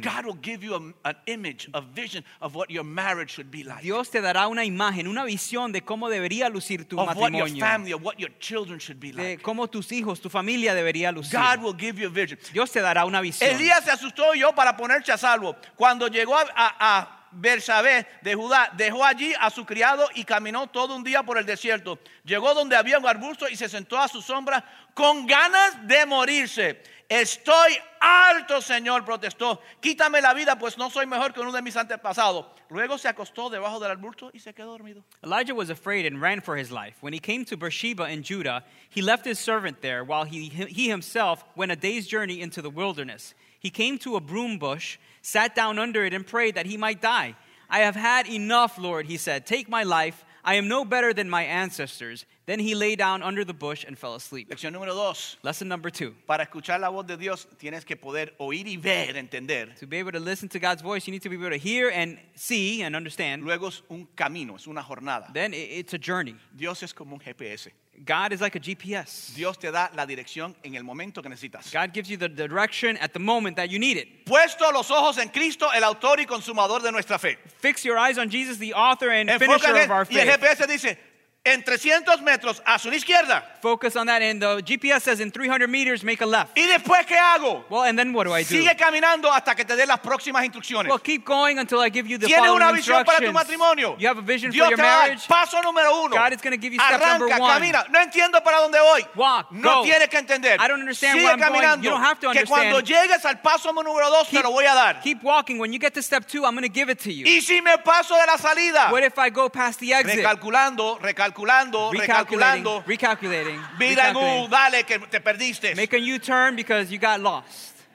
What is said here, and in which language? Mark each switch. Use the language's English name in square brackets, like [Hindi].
[English] God will give you an image, a vision of what your marriage should be like. [Spanish] Dios te dará una imagen, una visión de cómo debería lucir tu [English] of [Spanish] matrimonio. [English] What your family, of what your children should be like. [Spanish] De cómo tus hijos, tu familia debería lucir. [English] God will give you a vision. [Spanish] Dios te dará una visión. Elías se asustó y yo para ponerse a salvo. Cuando llegó a Bersabé de Judá dejó allí a su criado y caminó todo un día por el desierto. Llegó donde había un arbusto y se sentó a su sombra con ganas de morirse. Estoy harto, Señor, protestó. Quítame la vida, pues no soy mejor que uno de mis antepasados. Luego se acostó debajo del arbusto y se quedó dormido. [English] Elijah was afraid and ran for his life. When he came to Beersheba in Judah, he left his servant there while he himself went a day's journey into the wilderness. He came to a broom bush, sat down under it, and prayed that he might die. I have had enough, Lord, he said. Take my life. I am no better than my ancestors. Then he lay down under the bush and fell asleep. [Spanish] Lección número dos. [English] Lesson number two. [Spanish] Para escuchar la voz de Dios, tienes que poder oír y ver, entender. [English] To be able to listen to God's voice, you need to be able to hear and see and understand. [Spanish] Luego es un camino, es una jornada. [English] Then it's a journey. [Spanish] Dios es como un GPS. [English] God is like a GPS. [Spanish] Dios te da la dirección en el momento que necesitas. [English] God gives you the direction at the moment that you need it. [Spanish] Puesto los ojos en Cristo, el autor y consumador de nuestra fe. [English] Fix your eyes on Jesus, the author and finisher of our faith. Y el GPS dice, en 300 metros, haz una izquierda. Focus on that. And the GPS says, in 300 meters, make a left. [Spanish] ¿Y después qué hago? [English] Well, and then what do I do? [Spanish] Sigue caminando hasta que te dé las próximas instrucciones. [English] Well, keep going until I give you the following instructions. [Spanish] ¿Tienes una visión para tu matrimonio? [English] You have a vision [Spanish] Dios [English] for your marriage. [Spanish] Paso número uno. [English] God is going to give you step [Spanish] arranca, [English] number one. [Spanish] Camina. No entiendo para dónde voy. [English] Walk, [Spanish] no Tienes que entender. [English] I don't understand [Spanish] sigue [English] where I'm [Spanish] caminando. [English] Going. You don't have to understand. [Spanish] Que cuando llegues al paso número dos, [English] keep, [Spanish] te lo voy a dar. [English] Keep walking. When you get to step two, I'm going to give it to you. [Spanish] ¿Y si me paso de la salida? [English] What if I go past the exit? Recalculating. [Spanish] Dale que te perdiste. [English] Make a U-turn because you got lost.